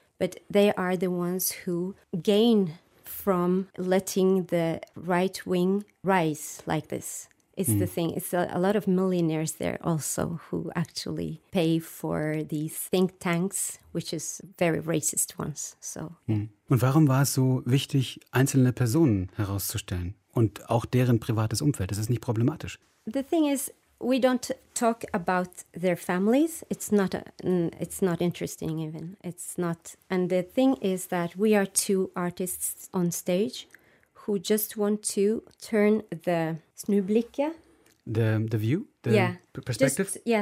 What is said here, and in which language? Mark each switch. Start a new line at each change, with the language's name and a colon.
English: But they are the ones who gain from letting the right wing rise like this. It's the thing. It's a lot of millionaires there also who actually pay for these think tanks, which is very racist ones. So.
German: Und warum war es so wichtig, einzelne Personen herauszustellen und auch deren privates Umfeld? Das ist nicht problematisch.
English: The thing is, we don't talk about their families. It's not interesting even. It's not. And the thing is that we are two artists on stage who just want to turn the snublikke. The view? Perspective?